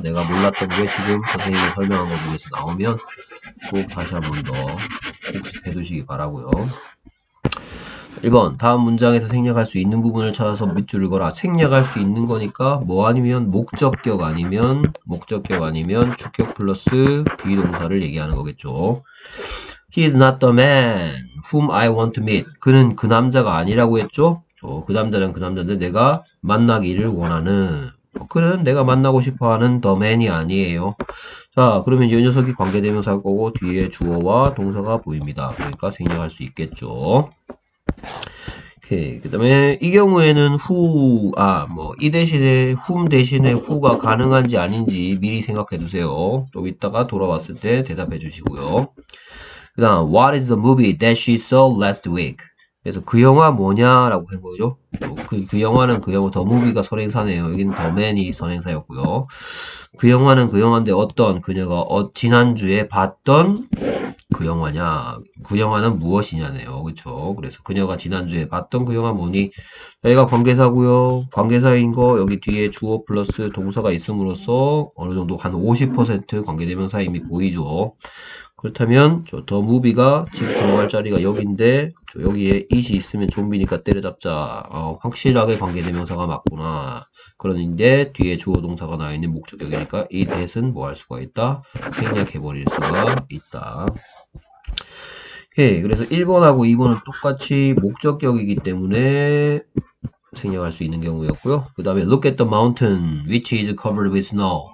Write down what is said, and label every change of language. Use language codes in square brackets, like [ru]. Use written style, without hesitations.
[ko] 내가 몰랐던 게 지금 선생님이 설명한 것 중에서 나오면 꼭 다시 한번 더 복습해 두시기 바라고요. 1번, 다음 문장에서 생략할 수 있는 부분을 찾아서 밑줄을 그어라. 생략할 수 있는 거니까 뭐 아니면 목적격 아니면 주격 플러스 비동사를 얘기하는 거겠죠. [en] He is not the man whom I want to meet. [ko] 그는 그 남자가 아니라고 했죠? 그 남자는 그 남자인데 내가 만나기를 원하는. 그는 내가 만나고 싶어 하는 the man이 아니에요. 자, 그러면 이 녀석이 관계대명사일 거고 뒤에 주어와 동사가 보입니다. 그러니까 생략할 수 있겠죠. 오케이. 그 다음에 이 경우에는 이 대신에 whom 대신에 who가 가능한지 아닌지 미리 생각해 두세요. 좀 이따가 돌아왔을 때 대답해 주시고요. [en] 그 다음, What is the movie that she saw last week? [ko] 그래서 그 영화 뭐냐라고 한 거죠. 그 영화는 그 영화, The Movie가 선행사네요. 여긴 The Man이 선행사였고요. 그 영화는 그 영화인데 어떤 그녀가 지난주에 봤던 그 영화냐. 그 영화는 무엇이냐네요. 그렇죠. 그래서 그녀가 지난주에 봤던 그 영화 뭐니? 여기가 관계사고요. 관계사인 거 여기 뒤에 주어 플러스 동사가 있음으로써 어느 정도 한50% 관계대명사 이미 보이죠. 그렇다면 더 무비가 지금 들어갈 자리가 여기인데 여기에 it이 있으면 좀비니까 때려잡자. 확실하게 관계대명사가 맞구나. 그런데 뒤에 주어 동사가 나와 있는 목적격이니까 it that은 뭐할 수가 있다. 생략해 버릴 수가 있다. 오케이. 그래서 1번하고 2번은 똑같이 목적격이기 때문에 생략할 수 있는 경우였고요. [en] 그 다음에 look at the mountain which is covered with snow.